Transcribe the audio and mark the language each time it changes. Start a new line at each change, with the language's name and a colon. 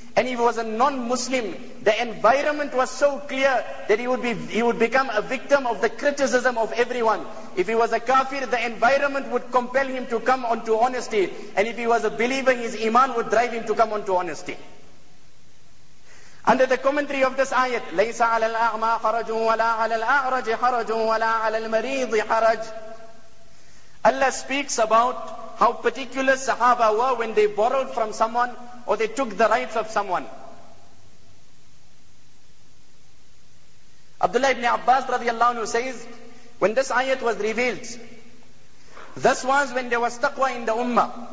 English: And if he was a non-Muslim, the environment was so clear that he would become a victim of the criticism of everyone. If he was a kafir, the environment would compel him to come onto honesty. And if he was a believer, his iman would drive him to come onto honesty. Under the commentary of this ayat,
Arabic: لَيْسَ عَلَى الْأَعْمَى حَرَجٌ وَلَا عَلَى الْأَعْرَجِ حَرَجٌ وَلَا عَلَى الْمَرِيضِ حَرَجٌ.
English: Allah speaks about how particular Sahaba were when they borrowed from someone or they took the rights of someone. Abdullah ibn Abbas radiallahu anhu says, when this ayat was revealed, this was when there was taqwa in the ummah.